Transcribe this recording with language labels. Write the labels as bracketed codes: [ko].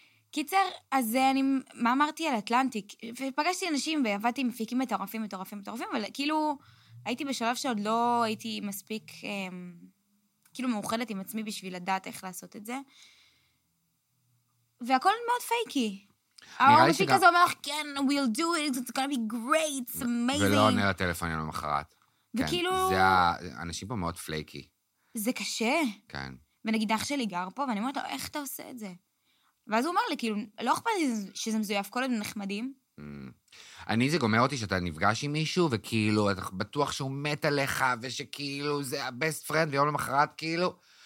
[he] קיצר, אז אני, מה אמרתי על אטלנטיק? ופגשתי אנשים ועבדתי מפיקים מטורפים, מטורפים, מטורפים, אבל כאילו הייתי בשלב שעוד לא הייתי מספיק, כאילו מאוחדת עם עצמי בשביל לדעת איך לעשות את זה. והכל מאוד פייקי. המפיק הזה אומר לך, כן, [en] we'll do it, it's gonna be great, it's amazing. [he] ולא עונה לטלפון יום המחרת. וכאילו... זה האנשים פה מאוד פלייקי. זה קשה. כן. ונגיד אח שלי גר פה, ואני אומרת לו, איך אתה עושה את זה? ואז הוא אומר לי, כאילו, לא אכפת לי שזה מזויף, כל הדברים נחמדים. אני זה גומר אותי שאתה נפגש עם מישהו, וכאילו, אתה בטוח שהוא מת עליך, ושכאילו, זה הבסט פרנד, ויום למחרת, כאילו.